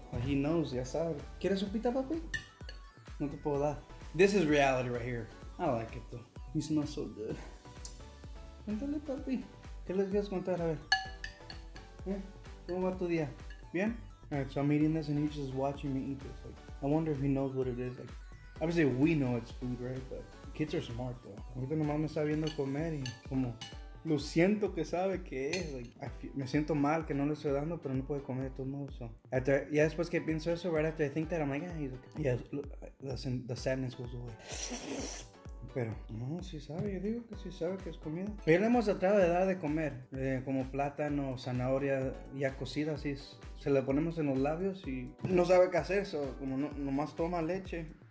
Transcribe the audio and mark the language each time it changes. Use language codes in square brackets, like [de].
[en] Like, he knows, [es] ya sabe. ¿Quieres sopita, papi? No te puedo dar. [en] This is reality right here. I like it though. He smells so good. [es] Cuéntale, papi. ¿Qué les quieres contar? A ver. ¿Cómo va tu día? ¿Bien? [en] Alright, so I'm eating this and he's just watching me eat this. Like, I wonder if he knows what it is. Like, obviously we know it's food, right? But kids are smart though. [es] Ahorita nomás me está viendo comer y como lo siento que sabe que es. Like, me siento mal que no le estoy dando, pero no puede comer de todos modos. [en] So. After, yeah, [es] después que pienso eso, [en] right after I think that, I'm like, yeah, he's okay. Yeah, the sadness goes away. [es] Pero, no, sí sabe, yo digo que sí sabe que es comida. Pero ya le hemos tratado de dar de comer, como plátano, zanahoria ya cocida, así es. Se le ponemos en los labios y no sabe qué hacer, so, como no, nomás toma leche.